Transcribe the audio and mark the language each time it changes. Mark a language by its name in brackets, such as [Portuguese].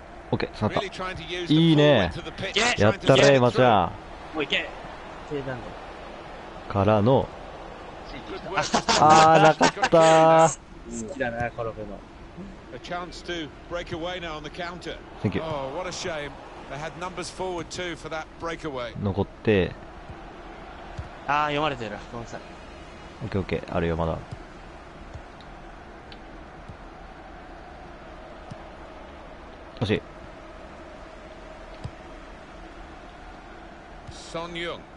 [Japanese] オッケー、いいね、やったれ、マちゃん。もういけ、低弾道からの、あー、なかったー。好きだな、コロペの。 [English] A chance to break away now on the counter. Thank you. Oh, what a shame. They had numbers forward too for that breakaway. [Japanese] 残って、あー、読まれてる、ごめんなさい。オッケー、オッケー、あるよ、まだ。惜しい。ソン・ユン。